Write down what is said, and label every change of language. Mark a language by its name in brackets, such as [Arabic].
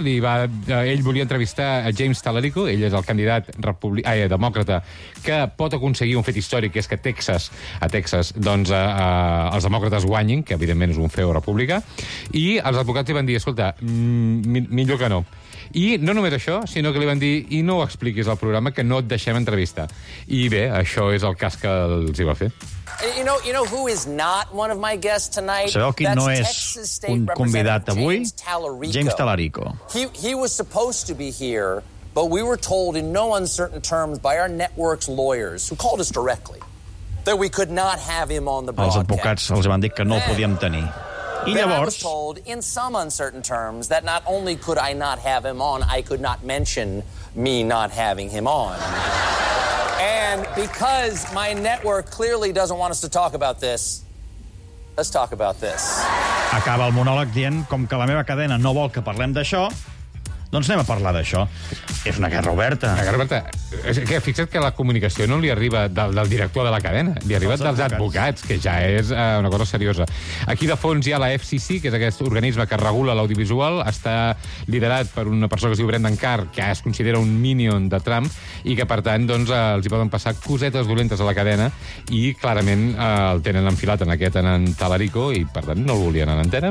[Catalan] Ell volia entrevistar a James Tallarico, ell és el candidat demòcrata, que pot aconseguir un fet històric, que és que a Texas, doncs, els demòcrates guanyin, que evidentment és un feu republicà, i els advocats li van dir, escolta, millor que no. I no només això, sinó que li van dir, i no ho expliquis al programa, que no et deixem entrevistar. I bé, això és el cas que els hi va fer. [English] You know who is not one of my guests tonight? [Catalan] Sabeu qui no és un convidat avui? James Tallarico. [English] He was supposed to be here, but we were told in no uncertain terms by our network's lawyers, who called us directly, that we could not have him on the broadcast. [Catalan] Els advocats els van dir que no el podíem tenir. I llavors, [English] I was told in some uncertain terms that not only could I not have him on, I could not mention me not having him on. And because my network clearly doesn't want us to talk about this, let's talk about this. [Catalan] Acaba el monòleg dient, com que la meva cadena no vol que parlem d'això, doncs anem a parlar d'això. És una guerra oberta. Una guerra oberta. Que fixa't que la comunicació no li arriba del director de la cadena, li arriba dels advocats, que ja és una cosa seriosa. Aquí de fons hi ha la FCC, que és aquest organisme que regula l'audiovisual, està liderat per una persona que es diu Brendan Carr, que es considera un minion de Trump, i que, per tant, doncs, els hi poden passar cosetes dolentes a la cadena, i clarament el tenen enfilat en aquest, en Tallarico, i per tant no el volien a l'antena.